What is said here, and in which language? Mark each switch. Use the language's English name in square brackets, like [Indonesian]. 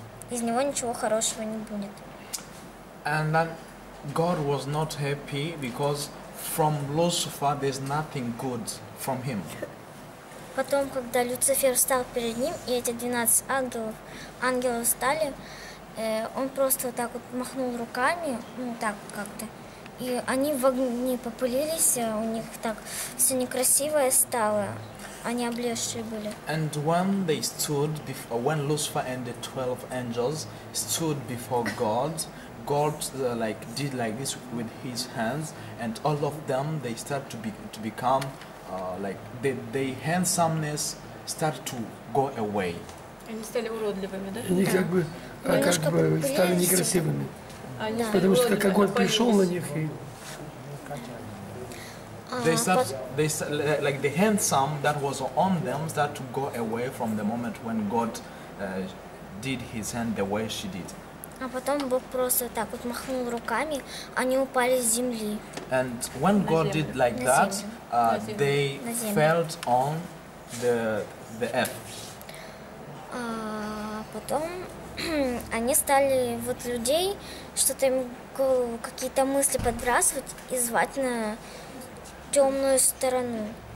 [Russian] Из него ничего хорошего не будет. [English] And then God was not happy because from Lucifer there's nothing good from him. [Russian] Потом, когда Люцифер встал перед ним, и эти 12 ангелов, ангелы встали, он просто так вот махнул руками, ну так как-то, и они в огне попылились, у них так все некрасивое стало, они облезшие были. [English] And when they stood before, when Lucifer and the 12 angels stood before God, God like did like this with his hands, and all of them they start to become like they handsomeness start to go away. [Russian] Они стали уродливыми, да? Они как бы стали некрасивыми, потому что как огонь пришел на них и [English] they start like the handsome that was on them start to go away from the moment when God did his hand the way she did. [Russian] А потом Бог просто так вот махнул руками, они упали с земли. [English] And when God did like that, they fell on the earth. [Russian] А потом они стали вот людей, что-то им какие-то мысли подбрасывать и звать на темную сторону.